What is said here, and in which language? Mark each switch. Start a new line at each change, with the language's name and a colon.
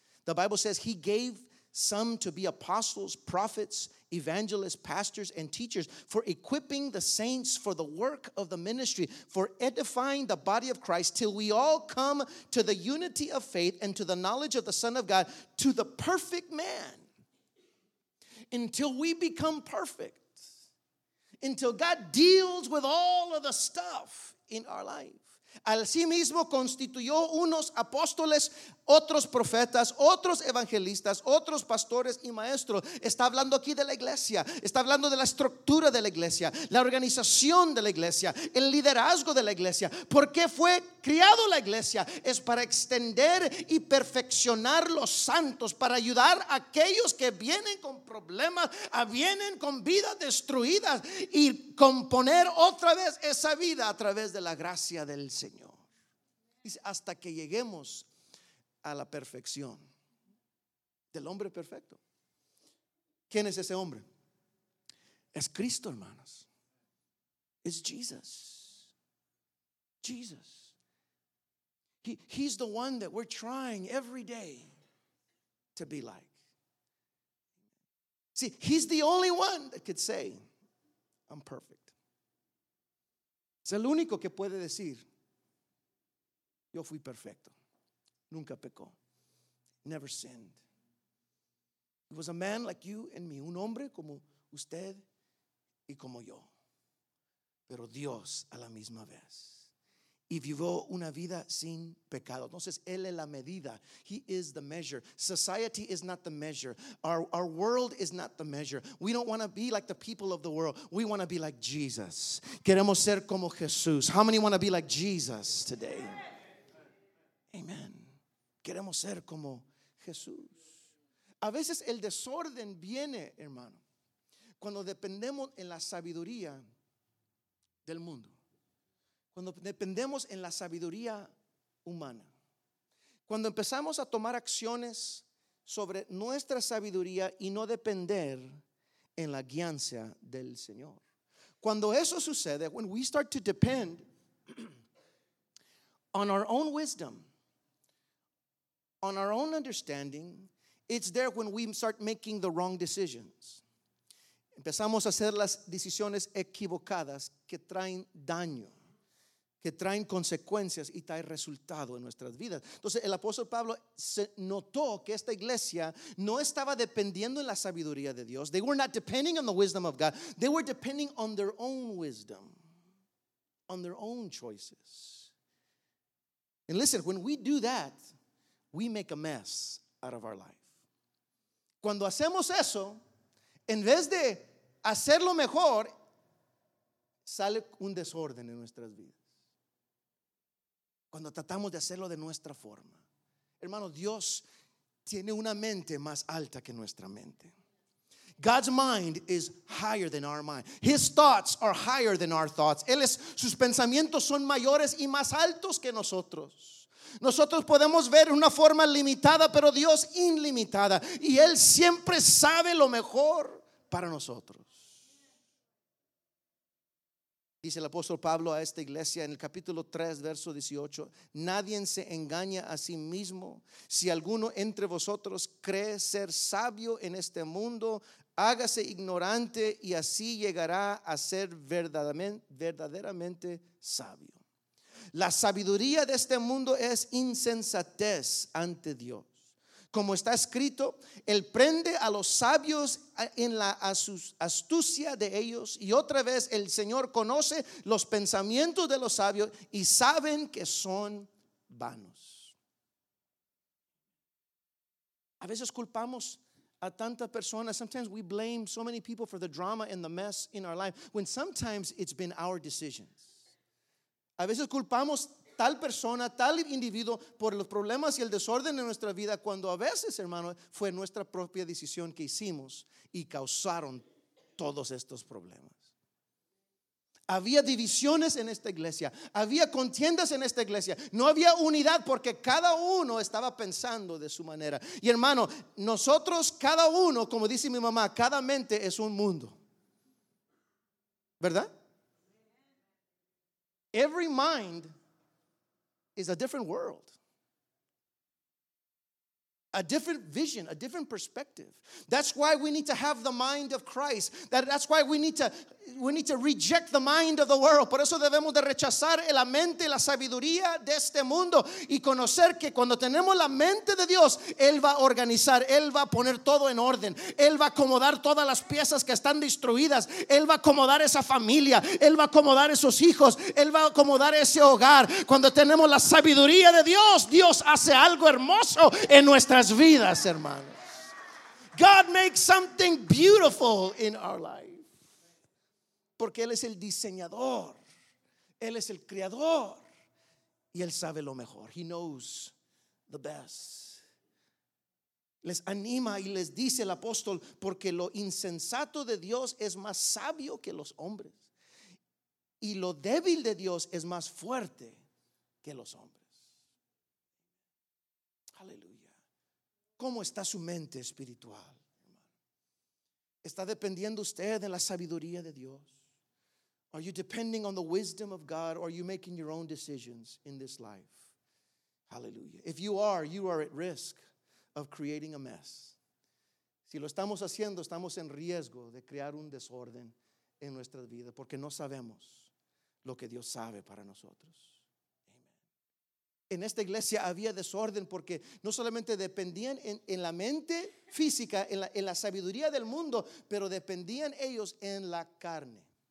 English: The Bible says he gave some to be apostles, prophets, evangelists, pastors, and teachers, for equipping the saints for the work of the ministry, for edifying the body of Christ, till we all come to the unity of faith and to the knowledge of the Son of God, to the perfect man. Until we become perfect. Until God deals with all of the stuff in our life.
Spanish: Asimismo constituyó unos apóstoles, otros profetas, otros evangelistas, otros pastores y maestros. Está hablando aquí de la iglesia, está hablando de la estructura de la iglesia, la organización de la iglesia, el liderazgo de la iglesia. ¿Por qué fue creado la iglesia? Es para extender y perfeccionar los santos, para ayudar a aquellos que vienen con problemas, vienen con vidas destruidas, y componer otra vez esa vida a través de la gracia del Señor. Dice, hasta que lleguemos a la perfección del hombre perfecto. ¿Quién es ese hombre? Es Cristo, hermanos. Es Jesus. Jesus.
English: He's the one that we're trying every day to be like. See, he's the only one that could say, I'm perfect.
Spanish: Es el único que puede decir, yo fui perfecto, nunca pecó,
English: never sinned. He was a man like you and me,
Spanish: un hombre como usted y como yo, pero Dios a la misma vez. Y vivió una vida sin pecado. Entonces, él es la medida.
English: He is the measure. Society is not the measure. Our world is not the measure. We don't want to be like the people of the world. We want to be like Jesus.
Spanish: Queremos ser como Jesús.
English: How many want to be like Jesus today? Amen.
Spanish: Queremos ser como Jesús. A veces el desorden viene, hermano, cuando dependemos en la sabiduría del mundo. Cuando dependemos en la sabiduría humana, cuando empezamos a tomar acciones sobre nuestra sabiduría y no depender en la guianza del Señor. Cuando eso sucede,
English: when we start to depend on our own wisdom, on our own understanding, it's there when we start making the wrong decisions.
Spanish: Empezamos a hacer las decisiones equivocadas que traen daño, que traen consecuencias y traen resultado en nuestras vidas. Entonces el apóstol Pablo se notó que esta iglesia no estaba dependiendo en la sabiduría de Dios.
English: They were not depending on the wisdom of God. They were depending on their own wisdom, on their own choices. And listen, when we do that, we make a mess out of our life.
Spanish: Cuando hacemos eso, en vez de hacerlo mejor, sale un desorden en nuestras vidas. Cuando tratamos de hacerlo de nuestra forma. Hermano, Dios tiene una mente más alta que nuestra mente.
English: God's mind is higher than our mind. His thoughts are higher than our thoughts.
Spanish: Sus pensamientos son mayores y más altos que nosotros. Nosotros podemos ver una forma limitada, pero Dios ilimitada. Y Él siempre sabe lo mejor para nosotros. Dice el apóstol Pablo a esta iglesia en el capítulo 3, verso 18: nadie se engaña a sí mismo. Si alguno entre vosotros cree ser sabio en este mundo, hágase ignorante y así llegará a ser verdaderamente sabio. La sabiduría de este mundo es insensatez ante Dios. Como está escrito, Él prende a los sabios en la astucia de ellos. Y otra vez el Señor conoce los pensamientos de los sabios y saben que son vanos. A veces culpamos a tanta persona.
English: Sometimes we blame so many people for the drama and the mess in our life, when sometimes it's been our decisions.
Spanish: A veces culpamos tal persona, tal individuo, por los problemas y el desorden en nuestra vida, cuando a veces, hermano, fue nuestra propia decisión que hicimos y causaron todos estos problemas. Había divisiones en esta iglesia, había contiendas en esta iglesia, no había unidad porque cada uno estaba pensando de su manera. Y hermano, nosotros, cada uno, como dice mi mamá, cada mente es un mundo, ¿verdad?
English: Every mind is a different world, a different vision, a different perspective. That's why we need to have the mind of Christ. That's why we need to reject the mind of the world.
Spanish: Por eso debemos de rechazar la mente, la sabiduría de este mundo, y conocer que cuando tenemos la mente de Dios, Él va a organizar, Él va a poner todo en orden, Él va a acomodar todas las piezas que están destruidas, Él va a acomodar esa familia, Él va a acomodar esos hijos, Él va a acomodar ese hogar. Cuando tenemos la sabiduría de Dios, Dios hace algo hermoso en nuestras vidas, hermanos.
English: God makes something beautiful in our life,
Spanish: porque Él es el diseñador, Él es el creador, y Él sabe lo mejor.
English: He knows the best.
Spanish: Les anima y les dice el apóstol: porque lo insensato de Dios es más sabio que los hombres, y lo débil de Dios es más fuerte que los hombres. Aleluya. ¿Cómo está su mente espiritual? ¿Está dependiendo usted de la sabiduría de Dios?
English: Are you depending on the wisdom of God, or are you making your own decisions in this life? Hallelujah. If you are at risk of creating a mess.
Spanish: Si lo estamos haciendo, estamos en riesgo de crear un desorden en nuestra vida, porque no sabemos lo que Dios sabe para nosotros. Amen. En esta iglesia había desorden porque no solamente dependían en la mente física, en la sabiduría del mundo, pero dependían ellos en la carne.